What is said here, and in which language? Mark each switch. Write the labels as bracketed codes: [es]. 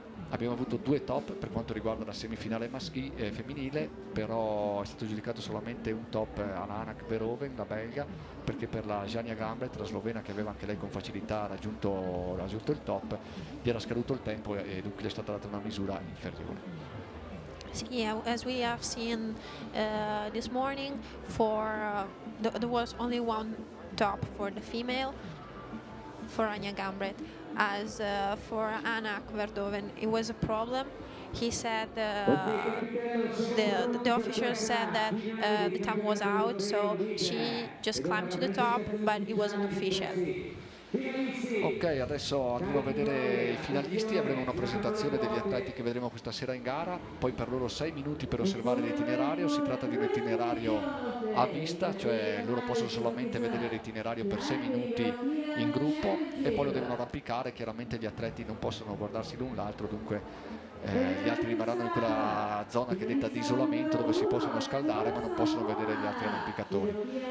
[it] Abbiamo avuto due top per quanto riguarda la semifinale femminile, però è stato giudicato solamente un top all'Anna Kverhoven, la belga, perché per la Jania Gambet, la slovena, che aveva anche lei con facilità raggiunto il top, gli era scaduto il tempo e dunque gli è stata data una misura inferiore. [en] Sì, as we have seen this morning, there was only one top for the female, for Anya Gambret. As for Anna Kverhoven, it was a problem. He said the officials said that the time was out, so she just climbed to the top, but it wasn't official. [it] Ok, adesso andiamo a vedere i finalisti, avremo una presentazione degli atleti che vedremo questa sera in gara, poi per loro 6 minuti per osservare l'itinerario, si tratta di un itinerario a vista, cioè loro possono solamente vedere l'itinerario per 6 minuti in gruppo e poi lo devono arrampicare, chiaramente gli atleti non possono guardarsi l'un l'altro, dunque gli altri rimarranno in quella zona che è detta di isolamento dove si possono scaldare ma non possono vedere gli altri arrampicatori.